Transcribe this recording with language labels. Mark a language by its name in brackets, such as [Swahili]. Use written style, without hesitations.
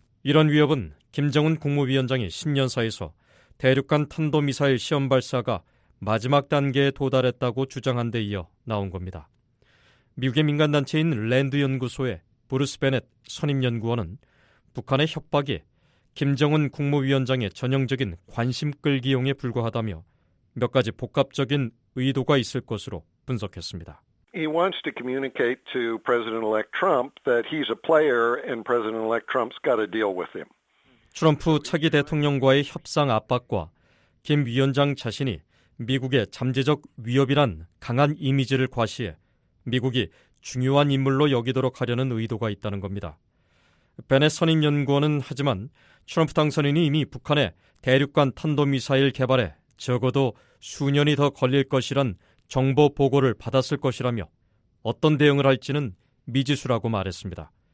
[Korean] 이런 위협은 김정은 국무위원장이 신년사에서 대륙간 탄도미사일 시험 발사가 마지막 단계에 도달했다고 주장한 데 이어 나온 겁니다. 미국의 민간단체인 랜드연구소의 브루스 베넷 선임연구원은 북한의 협박이 김정은 국무위원장의 전형적인 관심 끌기용에 불과하다며 몇 가지 복합적인 의도가 있을 것으로 분석했습니다. [English] He wants to communicate to President-elect Trump that he's a player and President-elect Trump's got to deal with him. [Korean] 트럼프 차기 대통령과의 협상 압박과 김 위원장 자신이 미국의 잠재적 위협이란 강한 이미지를 과시해 미국이 중요한 인물로 여기도록 하려는 의도가 있다는 겁니다. 베넷 선임연구원은 하지만 트럼프 당선인이 이미 북한의 대륙간 탄도미사일 개발에 적어도 수년이 더 걸릴 것이란 정보 보고를 받았을 것이라며 어떤 대응을 할지는 미지수라고 말했습니다.